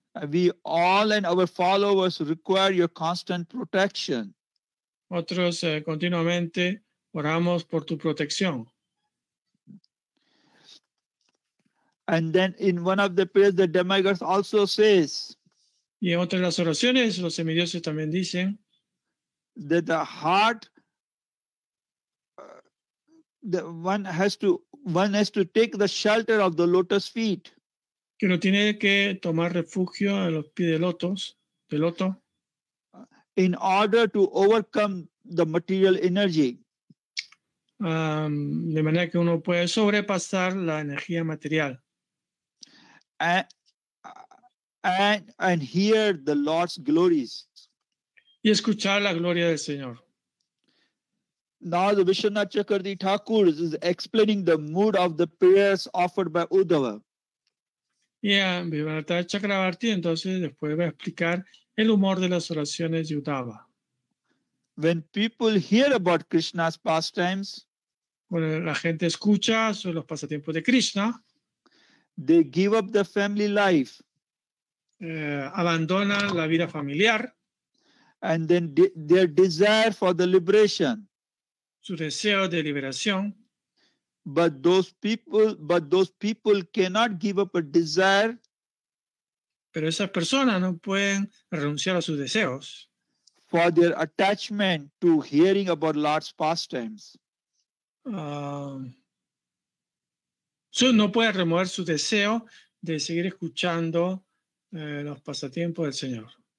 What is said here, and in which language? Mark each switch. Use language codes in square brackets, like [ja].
[en] We all and our followers require your constant protection. [es] Otros continuamente oramos por tu protección. [en] And then in one of the prayers, the demigods also says. [es] Y en otras las oraciones, los semidioses también dicen. [en] That the heart. One has to take the shelter of the lotus feet. [es] Que uno tiene que tomar refugio a los pies del loto. [en] In order to overcome the material energy. [es] De manera que uno puede sobrepasar la energía material. [en] And hear the Lord's glories. [es] Y escuchar la gloria del Señor. [en] Now the Vishwanath Chakravarti Thakur is explaining the mood of the prayers offered by Uddhava. [es] Yeah, Vishwanath Chakravarti entonces después va a explicar el humor de las oraciones de Uddhava. [en] When people hear about Krishna's pastimes. [es] Cuando la gente escucha sobre los pasatiempos de Krishna. [en] They give up the family life. [es] Abandonan la vida familiar. [en] And then their desire for the liberation. [es] Su deseo de liberación. [en] But those people cannot give up a desire. [es] Pero esas personas no pueden renunciar a sus deseos. [en] For their attachment to hearing about Lord's pastimes. [es] No puede remover su deseo de seguir escuchando los pasatiempos del Señor.